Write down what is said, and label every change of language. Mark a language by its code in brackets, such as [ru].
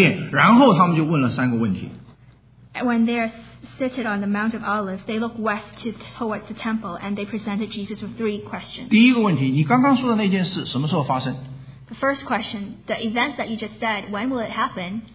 [zh] 他们坐在橄榄山上向西望过去的时候，就是看到刚刚他们所在的圣殿，然后他们就问了三个问题。 [en] When they are seated on the Mount of Olives, they look west to towards the temple, and they presented Jesus with three questions. [zh] 第一个问题，你刚刚说的那件事什么时候发生？ [en] The first question, the event that you just said, when will it happen?